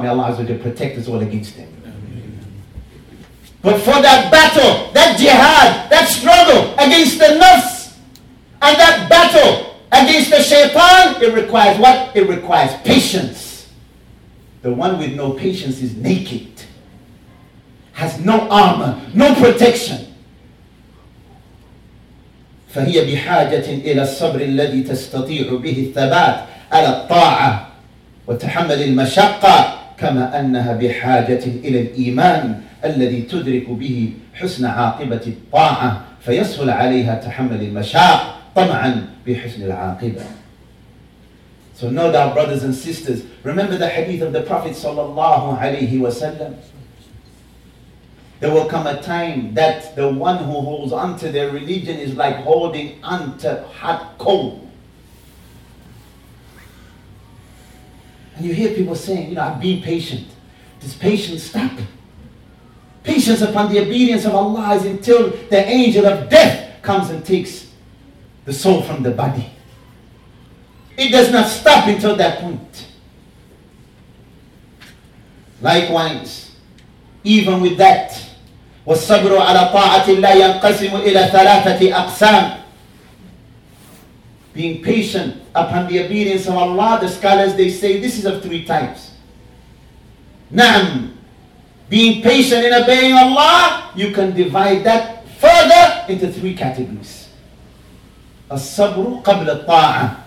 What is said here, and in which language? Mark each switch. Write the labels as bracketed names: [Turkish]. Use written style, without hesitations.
[English] May Allah Azza wa Jal protect us all against them. But for that battle, that jihad, that struggle against the nafs, and that battle against the shaytan, it requires what? It requires patience. The one with no patience is naked, has no armor, no protection. [Arabic] فهي بحاجة إلى الصبر الذي تستطيع به الثبات على الطاعة وتحمل المشقة كما أنها بحاجة إلى الإيمان الذي تدرك به حسن عاقبة الطاعة فيسهل عليها تحمل المشاق طمعا بحسن العاقبة. [English] So no doubt, brothers and sisters, remember the hadith of the Prophet [Arabic] صلى الله عليه وسلم. [English] There will come a time that the one who holds on to their religion is like holding on to hot coal. And you hear people saying, you know, I've been patient. Does patience stop? Patience upon the obedience of Allah is until the angel of death comes and takes the soul from the body. It does not stop until that point. Likewise, even with that, [Arabic] والصبر على طاعة الله ينقسم إلى ثلاثة أقسام. [English] Being patient upon the obedience of Allah, the scholars, they say this is of three types. نعم, being patient in obeying Allah, you can divide that further into three categories. [Arabic] الصبر قبل الطاعة.